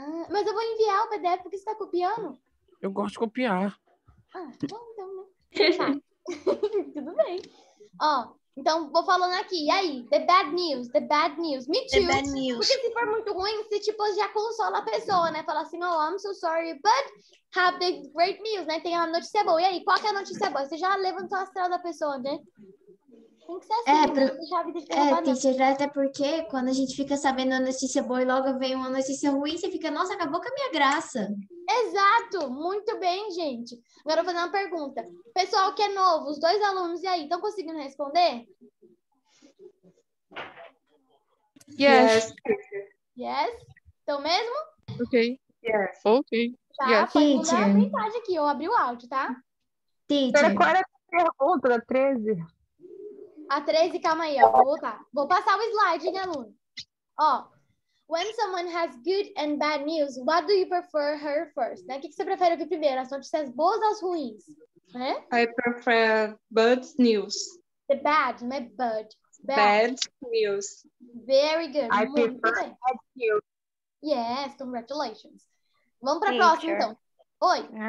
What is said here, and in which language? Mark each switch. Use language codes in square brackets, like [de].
[pt] Mas eu vou enviar o PDF porque você tá copiando? Eu gosto de copiar. Ah, bom, então, né? Tudo bem. Ó, então vou falando aqui. E aí? [en] The bad news. Me too. The bad news. [pt] Porque se for muito ruim, você tipo já consola a pessoa, né? Fala assim, oh, [en] I'm so sorry, but have the great news, né? [pt] Tem uma notícia boa. E aí, qual que é a notícia boa? Você já levantou a astral da pessoa, né? Tem que ser assim, Teacher, até porque quando a gente fica sabendo a notícia boa e logo vem uma notícia ruim, você fica, nossa, acabou com a minha graça. Exato, muito bem, gente. Agora eu vou fazer uma pergunta. Pessoal que é novo, os dois alunos, e aí, estão conseguindo responder? [en] Yes. [pt] Então mesmo? [en] Ok. Yes. Ok. [pt] Tá, yes. Pode mudar a mensagem aqui, eu abri o áudio, tá? Teacher. Qual é a pergunta da 13? A 13, calma aí, ó, vou voltar. Vou passar o slide, né, aluno? [en] Ó, when someone has good and bad news, what do you prefer her first? [pt] Né? O que você prefere ouvir primeiro? As notícias boas ou as ruins? Né? [en] I prefer bad news. The bad, my bad. Bad news. Very good. I prefer bad news. Yes, congratulations. [pt] Vamos para a próxima, então. Oi.